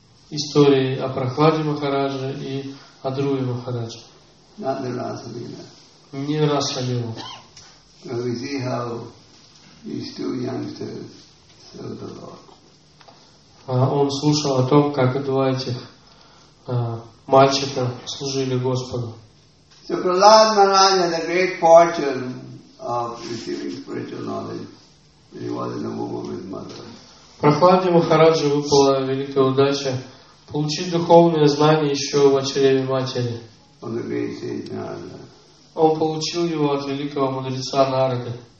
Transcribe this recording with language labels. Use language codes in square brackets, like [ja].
[ru] Истории о Прохладе Махарадже и о Друве Махарадже. [en] Not the Rasa Lila. [ru] Не Раса Лила. [en] So we see how these two youngsters serve the Lord. [ru] Он слушал о том, как два этих мальчика служили Господу. [en] So Prahlad Maharaj had a great fortune of receiving spiritual knowledge when he was in the womb of his mother. [ru] Прохладе Махараджи выпала великая удача получить духовное знание еще в чреве матери. Он получил его от великого мудреца Нарады.